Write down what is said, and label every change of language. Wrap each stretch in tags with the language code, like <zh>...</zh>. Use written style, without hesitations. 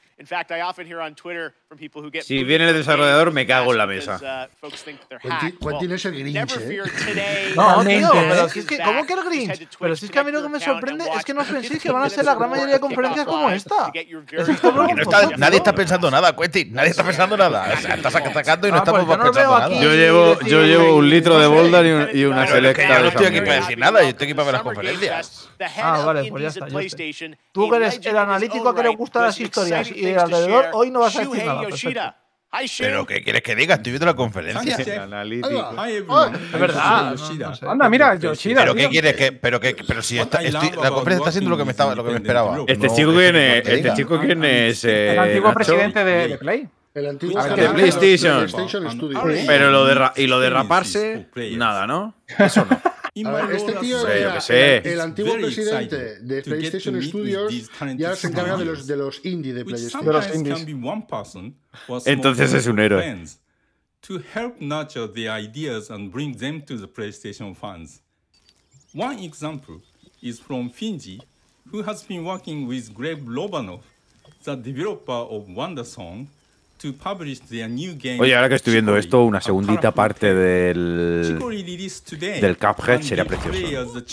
<en>In fact, I often hear on Twitter from people who get.</en> <es>Si viene el desarrollador, me cago en la mesa. ¿Cuál es el Grinch? No, tío, pero es que, ¿cómo que el Grinch? Pero si es que a mí lo que me sorprende es que no os penséis que van a ser la gran mayoría de conferencias como esta. Nadie está pensando nada, Quentin. Nadie está pensando nada. Estás atacando y no estamos pensando nada. Yo llevo un litro de Boulder y una selecta. Yo no estoy aquí para decir nada, yo estoy aquí para ver las conferencias. Ah, vale, pues ya está. Tú que eres el analítico que le gusta las historias. Y que ir alrededor, hoy no vas a decir nada. ¿Pero qué quieres que diga? Estoy viendo la conferencia. Es verdad. No, anda, mira, Yoshida. ¿Pero qué quieres que...? Pero, que, pero si está, estoy, la conferencia está haciendo lo que me esperaba. ¿Este chico quién es? ¿Este chico quién es? El antiguo presidente de Play. El antiguo de PlayStation. Pero lo de raparse, nada, ¿no? Eso no. Ver, este tío era el antiguo presidente de PlayStation Studios y ahora se encarga de los indie de PlayStation. De los indies. Entonces es un héroe.</es> <en>To help nurture the ideas and bring them to the PlayStation fans. One example is from Finji, who has been working with Greg Lobanov, the developer of Wonder Song.</en> <es>Oye, ahora que estoy viendo esto, una segundita parte del Cuphead sería precioso.</es>